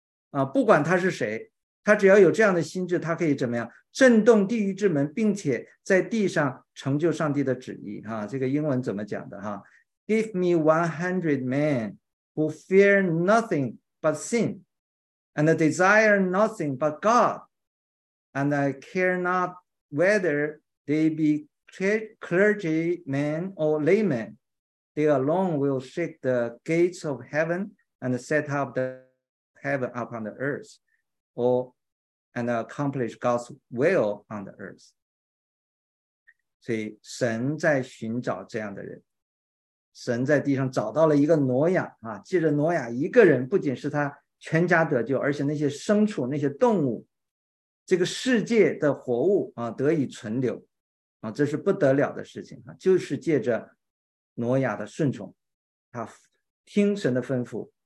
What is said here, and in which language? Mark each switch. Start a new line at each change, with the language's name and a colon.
Chinese: 啊，不管他是谁，他只要有这样的心智，他可以怎么样震动地狱之门，并且在地上成就上帝的旨意哈、啊。这个英文怎么讲的哈、啊、？
English: Give me 100 men who fear nothing but sin, and desire nothing but God, and I care not whether they be clergymen or laymen. They alone will shake the gates of heaven and set up theHeaven upon the earth, or and accomplish God's will on the earth.
Chinese: 所以神在寻找这样的人，神在地上找到了一个挪亚啊，借着挪亚一个人，不仅是他全家得救，而且那些牲畜、那些动物、这个世界的活物啊得以存留啊，这是不得了的事情啊，就是借着挪亚的顺从，他听神的吩咐。